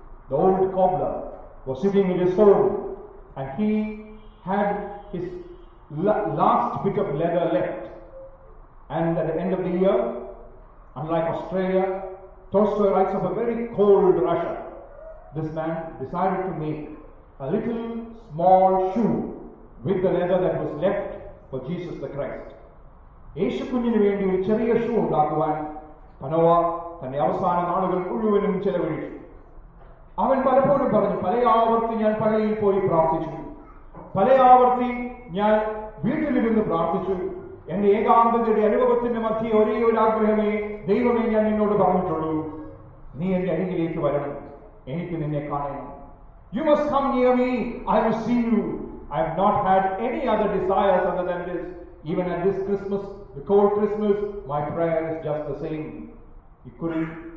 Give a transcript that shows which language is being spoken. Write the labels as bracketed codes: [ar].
[en] The old cobbler was sitting in his home and he had his last bit of leather left, and at the end of the year, unlike Australia, Tolstoy writes of a very cold Russia, this man decided to make a little small shoe with the leather that was left for Jesus the Christ. [ml] യേശുക്കുഞ്ഞിന് വേണ്ടി ഒരു ചെറിയ shoe ഉണ്ടാക്കുവാൻ പനോവ തന്റെ അവസാന നാളുകൾ മുഴുവനും ചെലവഴിച്ചു. അവൻ പലപ്പോഴും പറഞ്ഞു, പല ആവർത്തി ഞാൻ പള്ളിയിൽ പോയി പ്രാർത്ഥിച്ചു, പല ആവർത്തി ഞാൻ വീട്ടിലിരുന്ന് പ്രാർത്ഥിച്ചു. എന്റെ ഏകാന്തതയുടെ അനുഭവത്തിന്റെ മധ്യ ഒരേ ഒരു ആഗ്രഹമേ, ദൈവമേ, ഞാൻ നിന്നോട് പറഞ്ഞിട്ടുള്ളൂ, നീ എന്റെ അരികിലേക്ക് വരണം, എനിക്ക് നിന്നെ കാണണം. [en] You must come near me. I will see you. I have not had any other desires other than this. Even at this Christmas, the cold Christmas, my prayer is just the same. He couldn't.